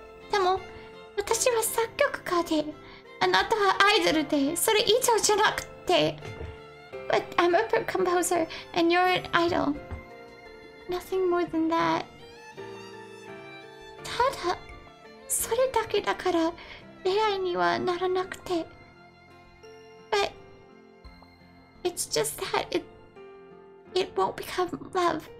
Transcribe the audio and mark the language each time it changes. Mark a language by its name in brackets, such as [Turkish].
[Japanese] でも私は作曲家で、あなたはアイドルで、それ以上じゃなくて。 [English] But I'm a composer, and you're an idol. Nothing more than that. [Japanese] ただ、それだけだから、恋愛にはならなくて。 [English] But it's just that it won't become love.